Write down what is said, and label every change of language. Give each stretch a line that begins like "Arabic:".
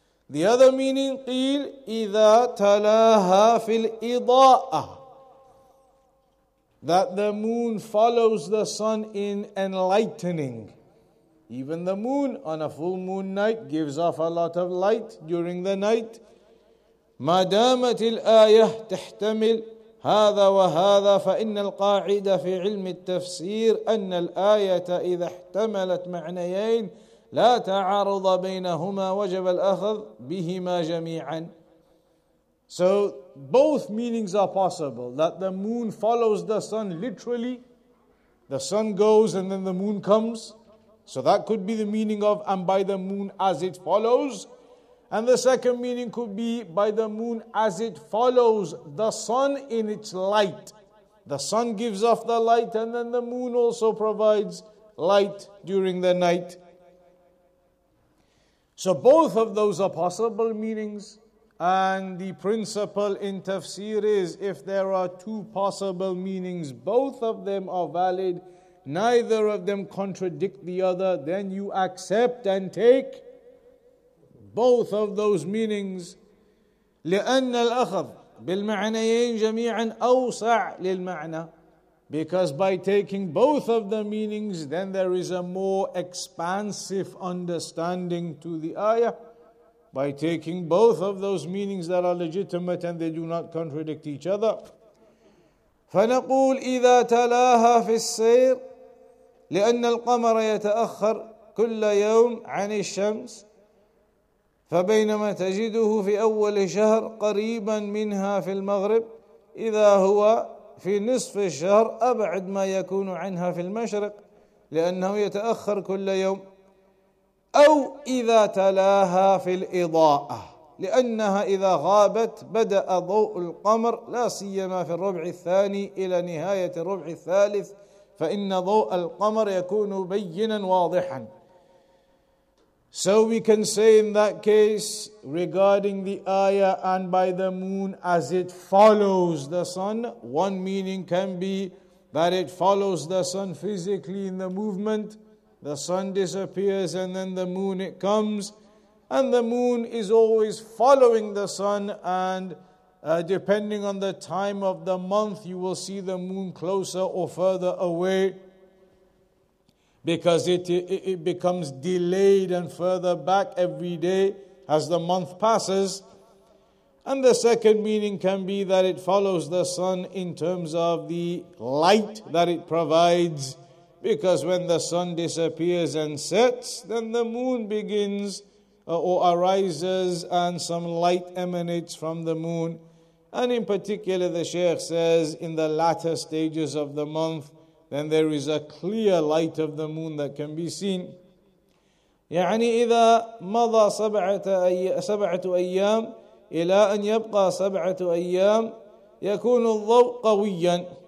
English: The other meaning,
Arabic: قيل إذا تلاها في الإضاءة,
English: that the moon follows the sun in enlightening. Even the moon on a full moon night gives off a lot of light during the night.
Arabic: ما دامت الآية تحتمل هذا وهذا فإن القاعدة في علم التفسير أن الآية إذا احتملت معنيين لا تعارض بينهما وجب الأخذ بهما جميعا.
English: So both meanings are possible, that the moon follows the sun literally, the sun goes and then the moon comes, so that could be the meaning of and by the moon as it follows. And the second meaning could be by the moon as it follows the sun in its light. The sun gives off the light and then the moon also provides light during the night. So both of those are possible meanings. And the principle in tafsir is if there are two possible meanings, both of them are valid, neither of them contradict the other, then you accept and take both of those meanings.
Arabic: لأن الأخذ بالمعنيين جميعا أوسع للمعنى.
English: Because by taking both of the meanings, then there is a more expansive understanding to the ayah. By taking both of those meanings that are legitimate and they do not contradict each other.
Arabic: فنقول إذا تلاها في السير لأن القمر يتأخر كل يوم عن الشمس فبينما تجده في أول شهر قريبا منها في المغرب إذا هو في نصف الشهر أبعد ما يكون عنها في المشرق لأنه يتأخر كل يوم أو إذا تلاها في الإضاءة لأنها إذا غابت بدأ ضوء القمر لا سيما في الربع الثاني إلى نهاية الربع الثالث فإن ضوء القمر يكون بينا واضحا.
English: So we can say in that case, regarding the ayah and by the moon as it follows the sun, one meaning can be that it follows the sun physically in the movement. The sun disappears and then the moon it comes. And the moon is always following the sun, and depending on the time of the month, you will see the moon closer or further away, because it becomes delayed and further back every day as the month passes. And the second meaning can be that it follows the sun in terms of the light that it provides, because when the sun disappears and sets, then the moon begins or arises and some light emanates from the moon. And in particular, the Shaykh says, in the latter stages of the month, then there is a clear light of the moon that can be seen.
Arabic: يعني إذا مضى سبعة أيام إلى أن يبقى سبعة أيام يكون الضوء قويا.